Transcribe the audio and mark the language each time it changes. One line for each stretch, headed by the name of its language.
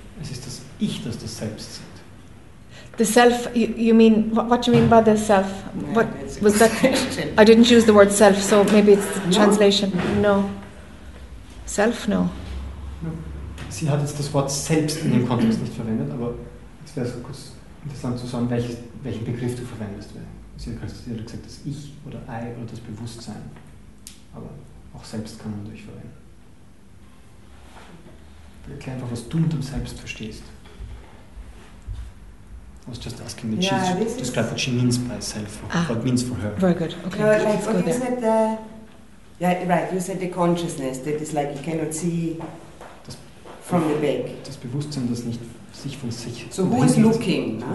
German: Es ist das Ich, das das Selbst sieht.
English: The self. You mean what do you mean by the self? What yeah, was that? Question. I didn't use the word self, so maybe it's the translation. No. Self, no.
German: Sie hat jetzt das Wort selbst in dem Kontext nicht verwendet, aber jetzt wäre es kurz interessant zu sagen, welchen Begriff du verwendest. Sie hat gesagt, das Ich oder I oder das Bewusstsein. Aber auch selbst kann man durch verwenden. Erklär einfach, was du mit dem Selbst verstehst.
English: I was just asking that she's described what she means by self, what means for her. Very good. Okay, no, let's go there. You said the consciousness, that is like you cannot see. from the back.
German: Das Bewusstsein, das nicht sich von sich.
English: So who is looking?